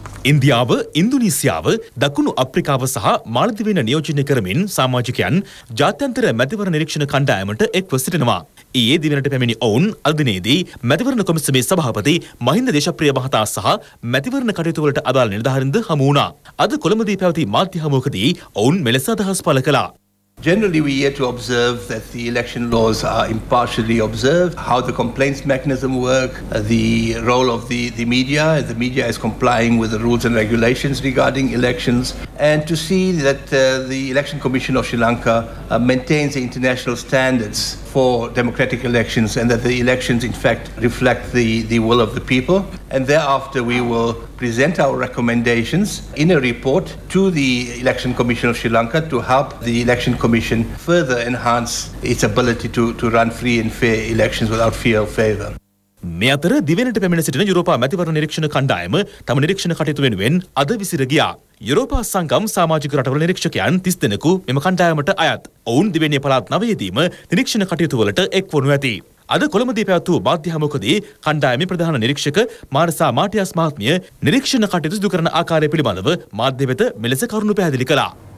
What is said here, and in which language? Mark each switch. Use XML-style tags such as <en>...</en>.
<si>ඉන්දියාව ඉන්දුනීසියාව දකුණු අප්‍රිකාව සහ මාලදිවයින නියෝජනය කරමින් සමාජිකයන් ජාත්‍යන්තර මැතිවරණ නිරීක්ෂණ කණ්ඩායමට එක්ව සිටිනවා ඊයේ දිනට පැමිණි ඔවුන් අද දිනේදී මැතිවරණ කොමිසමේ සභාපති මහින්ද දේශප්‍රිය මහතා සහ මැතිවරණ කටයුතු වලට අදාළ නිලධාරින්ද හමු වුණා අද කොළඹදී පැවති මාධ්‍ය හමුවකදී ඔවුන් මෙලෙස අදහස් පළ කළා</si> <en>Generally, we are to observe that the election laws are impartially observed, how the complaints mechanism work, the role of the media, if the media is complying with the rules and regulations regarding elections, and to see that the Election Commission of Sri Lanka maintains the international standards for democratic elections and that the elections, in fact, reflect the will of the people. And thereafter, we will present our recommendations in a report to the Election Commission of Sri Lanka to help the Election Commission further enhance its ability to run free and fair elections without fear or favour.</en> <si>මේ අතර දිවෙනට පැමිණ සිටින යුරෝපා මැතිවරණ නිරීක්ෂණ කණ්ඩායම තම නිරීක්ෂණ කටයුතු වෙනුවෙන් අද විසිර ගියා. යුරෝපා සංගම් සමාජික රටවල නිරීක්ෂකයන් 30 දෙනෙකු මෙම කණ්ඩායමට අයත්. ඔවුන් දිවෙනේ පළාත් 9ේදීම නිරීක්ෂණ කටයුතු වලට එක් වනු ඇත. අද කොළඹදී පැවතු මාධ්‍ය හමුවකදී කණ්ඩායමේ ප්‍රධාන නිරීක්ෂක මාර්සා මාටියස් මහත්මිය නිරීක්ෂණ කටයුතු සිදු කරන ආකාරය පිළිබඳව මාධ්‍ය වෙත මෙලෙස කරුණු පැහැදිලි කළා.</si>